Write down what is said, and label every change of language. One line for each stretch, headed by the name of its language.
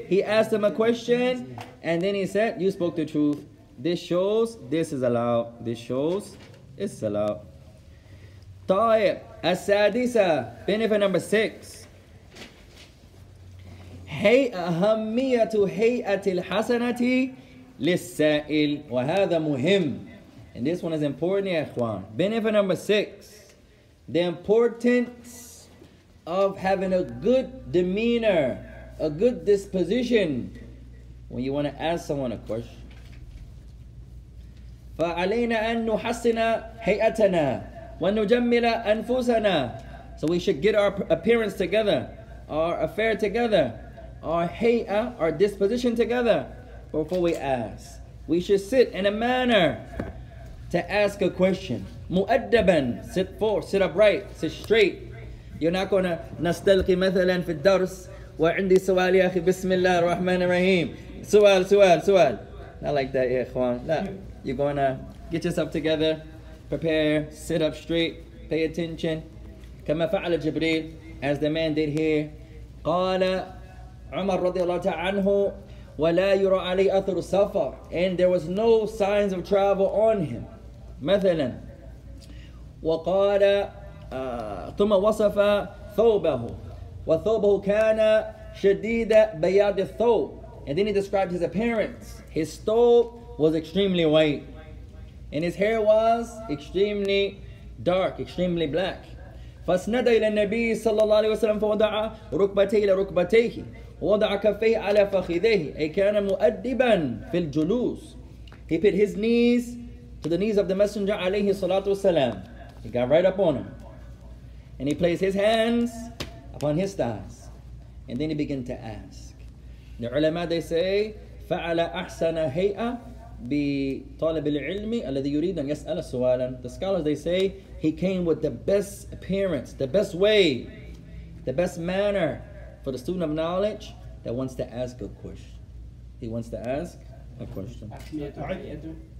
English: He asked him a question, and then he said, you spoke the truth. This shows this is allowed. This shows it's allowed.
Arabic: طيب, السادسة,
English: benefit number 6.
Arabic: هي أهمية هيئة الحسنة للسائل. وهذا مهم.
English: And this one is important,
Arabic: يا إخوان.
English: Benefit number 6. The importance of having a good demeanor, a good disposition when you want to ask someone a question.
Arabic: فعلينا أن نحسن هيئتنا ونجمل أنفسنا.
English: So we should get our appearance together, our affair together, our هيئة, our disposition together before we ask. We should sit in a manner to ask a question. مؤدباً, sit forth, sit upright, sit straight. You're not gonna
Arabic: نستلقي مثلا في الدرس وعندي سؤال يا أخي بسم الله الرحمن الرحيم سؤال.
English: Not like that,
Arabic: يا إخوان.
English: No, you're gonna get yourself together, prepare, sit up straight, pay attention.
Arabic: كما فعل جبريل,
English: as the man did here.
Arabic: قال عمر رضي الله تعالى عنه ولا يرى علي أثر سفر.
English: And there was no signs of travel on him.
Arabic: مثلا وقال ثم وصف ثوبه وثوبه كان شديد بياض الثوب.
English: And then he described his appearance. His thobe was extremely white, and his hair was extremely dark, extremely black.
Arabic: فسند إلى النبي صلى الله عليه وسلم فوضع ركبتيه إلى ركبتيه ووضع كفيه على فخذيه أي كان مؤدبا في الجلوس.
English: He put his knees to the knees of the messenger
Arabic: عليه الصلاة والسلام.
English: He got right up on him, and he placed his hands upon his thighs, and then he began to ask. The ulama, they say,
Arabic: فعل أحسن هيئة بطالب العلم الذي يريد أن يسأل سؤالا.
English: The scholars, they say, he came with the best appearance, the best way, the best manner for the student of knowledge that wants to ask a question. He wants to ask a question.